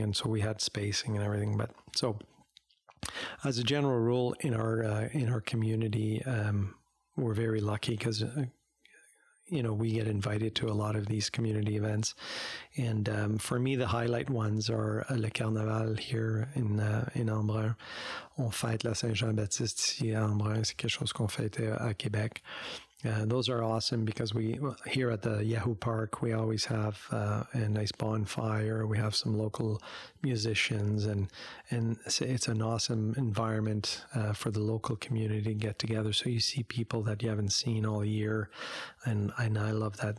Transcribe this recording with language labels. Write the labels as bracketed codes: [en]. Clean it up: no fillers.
[en] And so we had spacing and everything. But so as a general rule in our community, we're very lucky because, we get invited to a lot of these community events. And for me, the highlight ones are Le Carnaval here in Embrun. [fr] On fête la Saint-Jean-Baptiste ici à Embrun. C'est quelque chose qu'on fête à Québec. [en] Those are awesome because we here at the Yahoo Park, we always have a nice bonfire. We have some local musicians and it's an awesome environment for the local community to get together. So you see people that you haven't seen all year. And I love that.